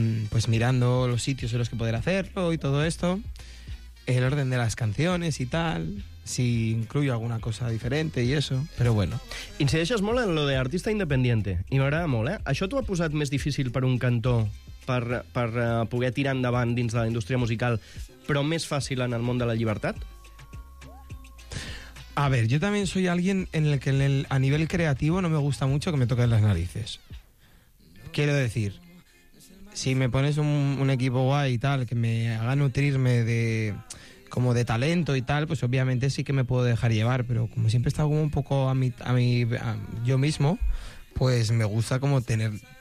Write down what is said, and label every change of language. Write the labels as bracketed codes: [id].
[es] Pues mirando los sitios en los que poder hacerlo y todo esto. El orden de las canciones y tal. Si incluyo alguna cosa diferente y eso, pero bueno. [ca] Incideixes molt en lo de [es] artista independiente. [ca] I m'agrada molt, eh? Això t'ho ha posat més difícil per un cantó? Per poder tirar endavant dins de la indústria musical, però més fàcil en el món de la llibertat? [es] A ver, yo también soy alguien en el que a nivel creativo no me gusta mucho que me toquen las narices. Quiero decir, si me pones un equipo guay y tal, que me haga nutrirme de como de talento y tal, pues obviamente sí que me puedo dejar llevar, pero como siempre he estado como un poco yo mismo, pues me gusta como tener...